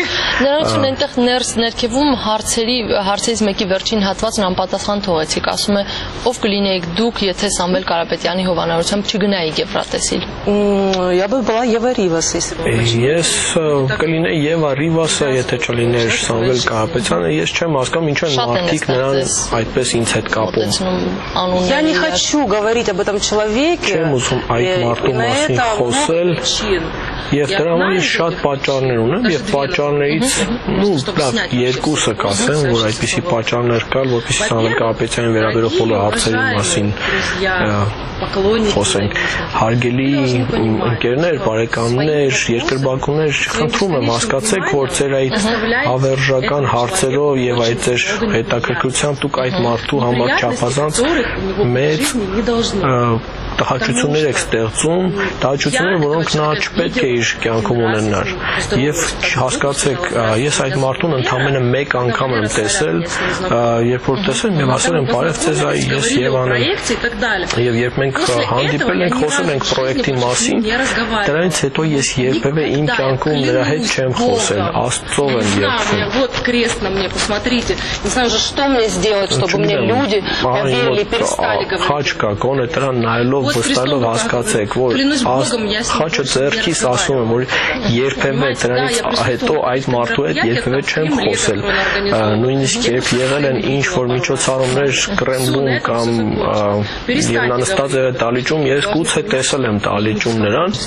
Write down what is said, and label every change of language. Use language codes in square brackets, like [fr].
[hy] Նրանցն այնտեղ ներս ներքևում հարցերից մեկի վերջին հատվածն անպատասխան թողեցիք, ասում է, ով կլինեիք դուք, եթե Սամվել Կարապետյանի հովանավորությամբ չգնայիք Եվրատեսիլ։ [ru] Я бы была Ева Ривас, если бы. [hy] Ես կլինեի Ռիվասը, եթե չլիներ Սամվել Կարապետյանը, ես չեմ հասկանում, ինչու են մարդիկ նրան այդպես ինձ հետ կապում։ [ru] Я не хочу говорить об этом человеке. [hy] Չեմ ուզում այդ մարդու մասին խոսել։ Եվ դրա համար շատ պատճառներ ունեմ, եւ պատճառներից երկուսը կասեմ, որ այդպիսի պատճառներ կան, որպեսզի Սամվել Կարապետյանին վերաբերող բոլոր հարցերի մասին խոսենք։ Հարգելի ընկերներ, բարեկամներ, երկրպագուներ, խնդրում եմ, հասկացեք, որ ձեր այդ ավերժական հարցերով եւ այդ ձեր հետաքրքրությամբ դուք այդ մարդու համար չափազանց մեծ տհաճություններ եք ստեղծում, տհաճություններ, որոնք նա չպետք է իր կյանքում ունենար։ Եվ հասկացեք, ես այդ մարդուն ընդամենը մեկ անգամ եմ տեսել, երբ որ տեսել, ես ասել եմ, բարև ձեզ, այ ես Եվան եմ։ Եվ երբ մենք հանդիպել ենք, խոսել ենք պրոյեկտի մասին, դրանից հետո ես երբևէ իմ կյանքում նրա հետ չեմ խոսել, Աստծով եմ երգում։ [ru] Вот крестно мне, посмотрите. Не знаю же, что мне сделать, чтобы мне люди поверили, перестали говорить. [hy] Խաչկա, կոնե դրան նայելով, վստահելով հասկացեք, որ խաչը ձեռքիս, ասում եմ, որ երբևէ դրանից հետո այդ մարդու հետ երբևէ չեմ խոսել, նույնիսկ երբ եղել են ինչ-որ միջոցառումներ Կրեմլում կամ Նստածը տալիճում, ես գուցե տեսել եմ տալիճում նրան։